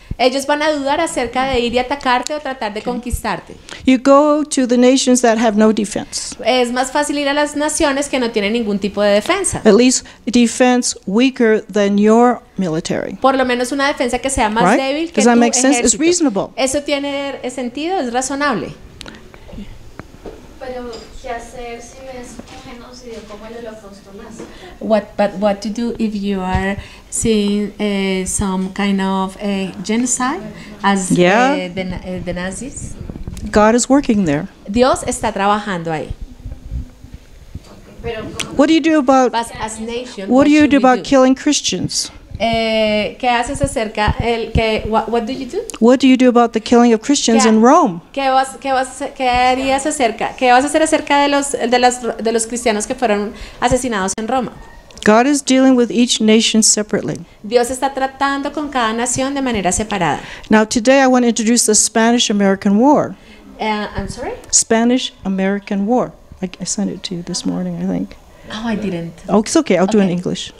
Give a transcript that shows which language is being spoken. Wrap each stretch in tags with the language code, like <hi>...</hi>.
<es>Ellos van a dudar acerca de ir y atacarte o tratar de conquistarte.</es> <en>You go to the nations that have no defense.</en> <es>Es más fácil ir a las naciones que no tienen ningún tipo de defensa.</es> <en>At least defense weaker than your military.</en> <es>Por lo menos una defensa que sea más débil que</es> <en>Does that make sense? It's reasonable.</en> <es>Eso tiene sentido, es razonable. Pero, ¿qué hacer si ves un genocidio como el Holocausto nazi?</es> <en>What to do if you are seeing some kind of a genocide as the Nazis? God is working there.</en> <es>Dios está trabajando ahí.</es> <en>What do you do about killing Christians?</en> <es>¿Qué haces acerca el que</es> <en>what do you do? What do you do about the killing of Christians in Rome?</en> <es>¿Qué harías acerca? ¿Qué vas a hacer acerca de los cristianos que fueron asesinados en Roma?</es> <en>God is dealing with each nation separately.</en> <es>Dios está tratando con cada nación de manera separada.</es> <en>Now today I want to introduce the Spanish-American War. I'm sorry? Spanish-American War. I sent it to you this morning, I think. Oh, I didn't. Oh, it's okay. I'll do it in English.</en>